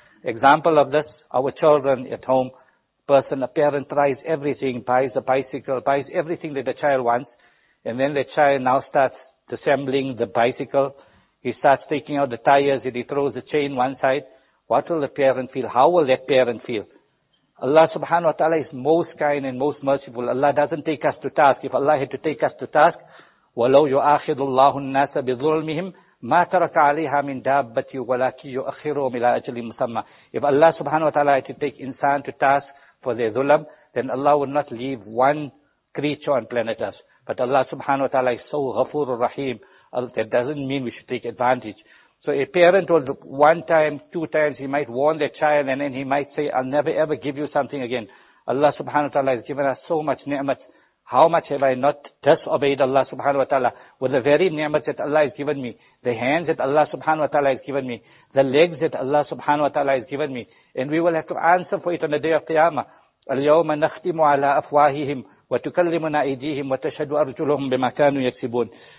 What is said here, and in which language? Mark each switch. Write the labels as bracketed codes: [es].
[en] Example of this, our children at home, a parent tries everything, buys a bicycle, buys everything that the child wants, and then the child now starts disassembling the bicycle. He starts taking out the tires and he throws the chain one side. What will the parent feel? How will that parent feel? Allah subhanahu wa ta'ala is most kind and most merciful. Allah doesn't take us to task. If Allah had to take us to task, [ar] وَلَوْ يُؤَخِذُ اللَّهُ النَّاسَ بِظُلْمِهِمْ مَا تَرَكَ عَلَيْهَا مِنْ دَابَّةِ وَلَكِ يُؤَخِرُهُمْ إِلَىٰ أَجْلٍ مُسَمَّى. [en] If Allah subhanahu wa ta'ala had to take insan to task for their zulm, then Allah would not leave one creature on planet Earth. But Allah subhanahu wa ta'ala is so ghafoor rahim. That doesn't mean we should take advantage. So a parent will one time, two times, he might warn their child and then he might say, I'll never ever give you something again. Allah subhanahu wa ta'ala has given us so much ni'mat. How much have I not disobeyed Allah subhanahu wa ta'ala with the very ni'mat that Allah has given me, the hands that Allah subhanahu wa ta'ala has given me, the legs that Allah subhanahu wa ta'ala has given me. And we will have to answer for it on the day of Qiyamah. [ar] Al-yawma nakhtimu ala afwahihim. وَتُكَلِّمُنَا أَيْدِيهِمْ وَتَشْهَدُ أَرْجُلُهُمْ بِمَا كَانُوا يَكْسِبُونَ.